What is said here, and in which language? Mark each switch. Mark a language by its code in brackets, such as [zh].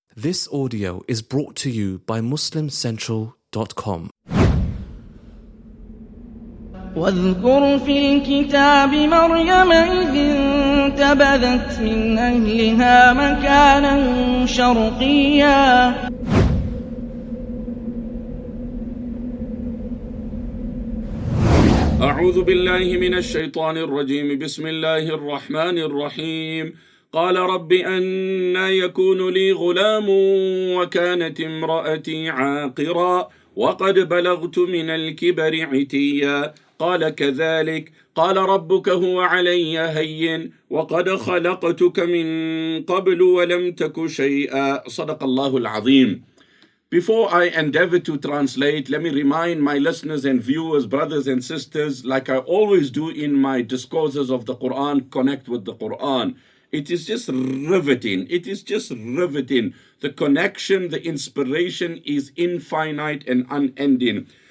[en] This audio is brought to you by MuslimCentral.com. [ar] واذكر في الكتاب مريم إذ انتبذت من أهلها مكانا شرقيا. أعوذ بالله من الشيطان الرجيم. بسم الله الرحمن الرحيم. قال رب أنى يكون لي غلام وكانت امرأتي عاقرا وقد بلغت من الكبر عتيا. قال كذلك قال ربك هو علي هين وقد خلقتك من قبل ولم تك شيئا. صدق الله العظيم. [en] Before I endeavor to translate, let me remind my listeners and viewers, brothers and sisters, like I always do in my discourses of the Quran, connect with the Quran. It is just riveting. It is just riveting. The connection, the inspiration is infinite and unending.